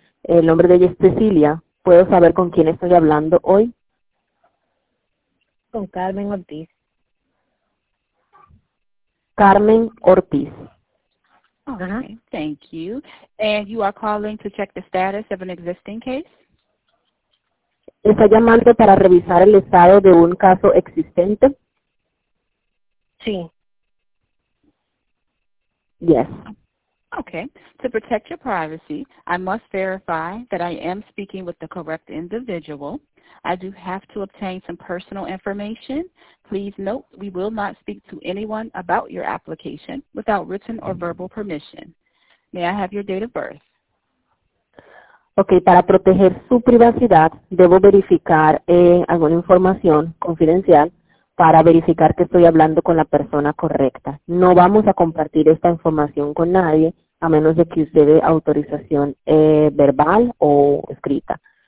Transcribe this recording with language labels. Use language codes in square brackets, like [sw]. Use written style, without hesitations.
[es] El nombre de ella es Cecilia. ¿Puedo saber con quién estoy hablando hoy? Con Carmen Ortiz. Carmen Ortiz. [en] Okay, thank you. And you are calling to check the status of an existing case? [es] ¿Está llamando para revisar el estado de un caso existente? Sí. [en] Yes. Okay. To protect your privacy, I must verify that I am speaking with the correct individual. I do have to obtain some personal information. Please note we will not speak to anyone about your application without written or verbal permission. May I have your date of birth? Okay. [es] Para proteger su privacidad, debo verificar alguna información confidencial para verificar que estoy hablando con la persona correcta. No vamos a compartir esta información con nadie, a menos de que usted dé autorización verbal o escrita.